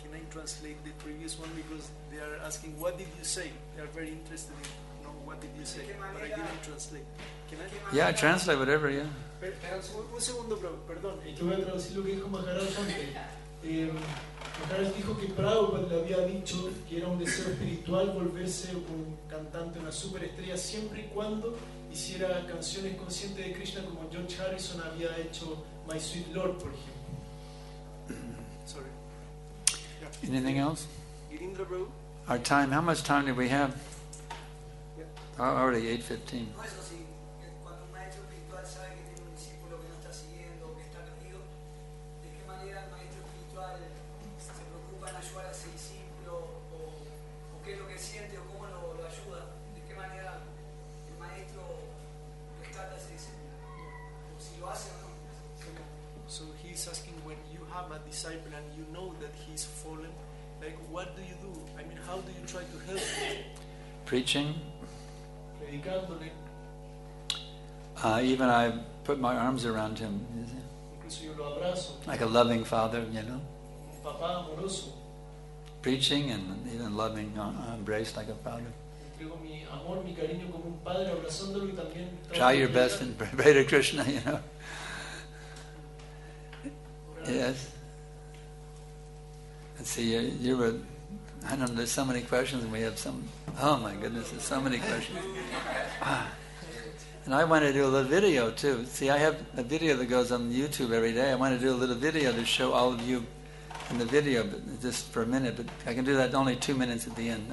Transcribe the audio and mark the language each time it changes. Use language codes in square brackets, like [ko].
[en] Translate the previous one because they are asking, what did you say? They are very interested in know what did you say, but I didn't translate. Can I? Yeah, translate whatever, yeah. [es] Un segundo, perdón. Yo voy a traducir lo que dijo Maharaj antes. Maharaj dijo que Prabhupada le había dicho que era un deseo espiritual volverse un cantante, una superestrella, siempre y cuando hiciera canciones conscientes de Krishna como George Harrison había hecho My Sweet Lord, por ejemplo. [en] Anything else? Girindra Prabhu. Our time, how much time do we have? Yeah. Oh, already 8:15. [es] No, eso sí. Cuando un maestro espiritual sabe que tiene un discípulo que no está siguiendo, que está perdido, ¿de qué manera el maestro espiritual se preocupa en ayudar a ese discípulo? ¿O qué es lo que siente o cómo lo ayuda? ¿De qué manera el maestro rescata a ese discípulo? ¿O si lo hace o no? [en] So he's asking, when you have a disciple and you know that he's fallen, like, what do you do? I mean, how do you try to help him? Preaching. [es] Predicándole. [en] Even I put my arms around him. [es] Incluso yo lo abrazo. [en] Like a loving father, you know. [es] Un papá amoroso. [en] Preaching and even loving, embrace like a father. [es] Entrego mi amor, mi cariño como un padre abrazándolo y también. [en] Try your best and pray to Krishna, you know. Yes. Let's see, you were I don't know, there's so many questions, and we have some, oh my goodness, there's so many questions. And I want to do a little video too. See, I have a video that goes on YouTube every day. I want to do a little video to show all of you in the video, but just for a minute, but I can do that only 2 minutes at the end.